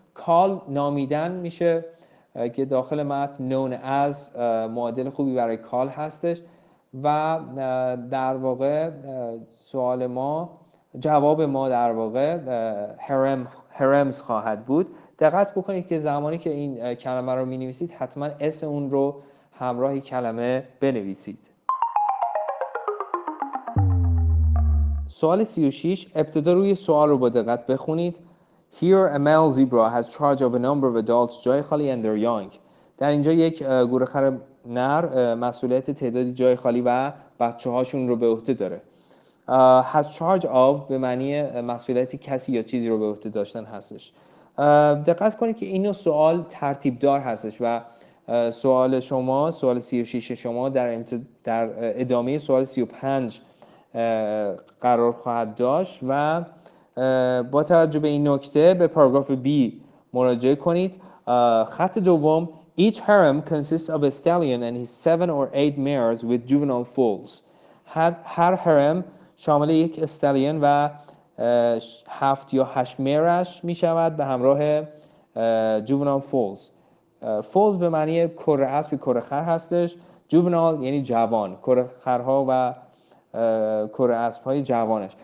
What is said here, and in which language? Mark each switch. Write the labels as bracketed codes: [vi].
[fa] call نامیدن میشه که داخل متن [en] known as [fa] معادل خوبی برای call هستش و در واقع سوال ما، جواب ما در واقع harems خواهد بود. دقت بکنید که زمانی که این کلمه رو می‌نویسید حتما اس اون رو همراه کلمه بنویسید. سوال 36، ابتدا روی سوال رو با دقت بخونید. [en] Here a male zebra has charge of a number of adults, [fa] جای خالی [en] and they're young. [fa] در اینجا یک گورخر نر مسئولیت تعدادی جای خالی و بچه‌هاشون رو به عهده داره. [en] Has charge of [fa] به معنی مسئولیت کسی یا چیزی رو به عهده داشتن هستش. دقت کنید که اینو سوال ترتیب دار هستش و سوال شما، سوال 36 شما در ادامه سوال 35 قرار خواهد داشت و با توجه به این نکته به پاراگراف B مراجعه کنید. خط دوم [en] each harem consists of a stallion and his seven or eight mares with juvenile foals. [fa] هر هرم شامل یک استالیون و هفت یا هشت مرش می شود به همراه juvenile foals. Foals به معنی کره اسب کره خر هستش. Juvenile یعنی جوان، کره خرها و کره اسب های جوانش.